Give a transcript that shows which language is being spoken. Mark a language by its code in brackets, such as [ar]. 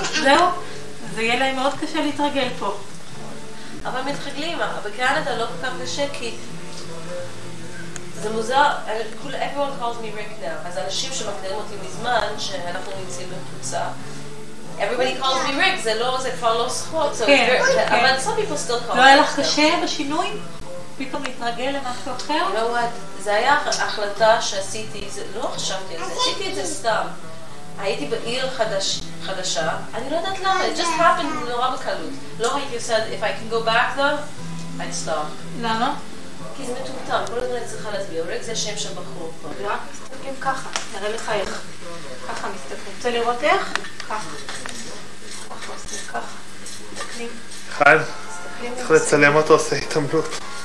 [he] זהו, זה יהיה להם מאוד קשה להתרגל פה. אבל מתרגלים, בקנדה לא כל כך קשה, כי... זה מוזר, [en] everyone calls me Rick now. [he] אז אנשים שמכירים אותי מזמן, שאנחנו נמצאים בקבוצה, [en] everybody calls me Rick, [he] זה לא, זה כבר לא זכות. כן, כן. אבל [en] some people still call me Rick. [he] לא היה לך קשה בשינוי? פתאום להתרגל למשהו אחר? לא יודע, זה היה החלטה שעשיתי, לא חשבתי על זה, עשיתי את זה סתם. הייתי בעיר חדשה, אני לא יודעת למה, [en] it just happened [he] נורא בקלות. לא הייתי עושה, [en] if I can go back though, I'd stop. [he] למה? כי זה מטומטם, כל הזמן צריכה להסביר, אורג זה השם של בחור פה. רק מסתכלים ככה, נראה לך איך. ככה מסתכלים. רוצה לראות איך? ככה. ככה, עושים ככה. מסתכלים. חד, צריך לצלם אותו, עושה התעמלות.